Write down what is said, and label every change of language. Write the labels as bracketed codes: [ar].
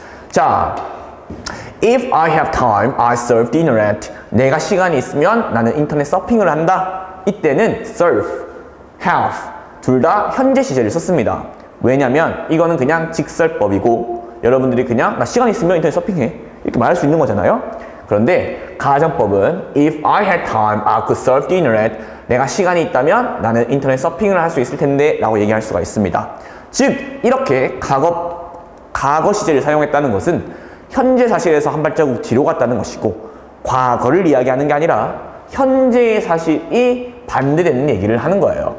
[en] 자, If I have time, I surf the internet. [ko] 내가 시간이 있으면 나는 인터넷 서핑을 한다. 이때는 surf, have 둘 다 현재 시제를 썼습니다. 왜냐면 이거는 그냥 직설법이고, 여러분들이 그냥 나 시간 있으면 인터넷 서핑해 이렇게 말할 수 있는 거잖아요. 그런데 가정법은 [en] If I had time, I could surf the internet. [ko] 내가 시간이 있다면 나는 인터넷 서핑을 할 수 있을 텐데 라고 얘기할 수가 있습니다. 즉 이렇게 과거 시제를 사용했다는 것은 현재 사실에서 한 발자국 뒤로 갔다는 것이고, 과거를 이야기하는 게 아니라 현재의 사실이 반대되는 얘기를 하는 거예요.